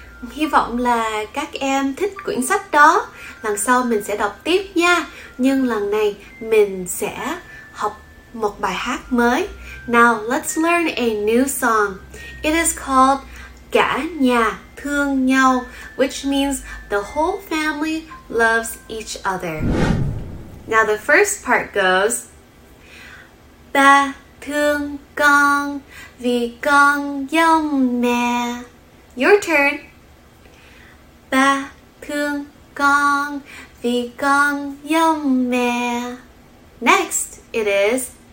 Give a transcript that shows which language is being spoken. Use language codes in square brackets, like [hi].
[vi] Hy vọng là các em thích quyển sách đó. Lần sau mình sẽ đọc tiếp nha. Nhưng lần này mình sẽ học một bài hát mới. [en] Now let's learn a new song. It is called Cả Nhà Thương Nhau, which means the whole family loves each other. Now the first part goes: [vi] Ba thương con vì con giống mẹ. [en] Your turn. [vi] Ba thương con vì con giống mẹ. [en] Next, it is